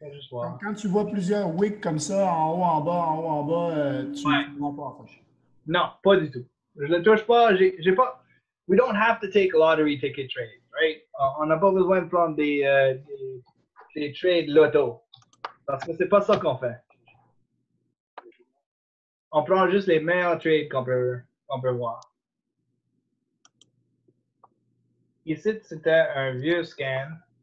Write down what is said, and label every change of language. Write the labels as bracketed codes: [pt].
[fr] Quand tu vois plusieurs wicks comme ça, en haut, en bas, tu ne vas pas approcher. Non, pas du tout. Je le touche pas. J'ai pas. [en] We don't have to take lottery ticket trades. [fr] Right. On n'a pas besoin de prendre des trades loto parce que c'est pas ça qu'on fait. On prend juste les meilleurs trades qu'on peut voir. Ici, c'était un vieux scan.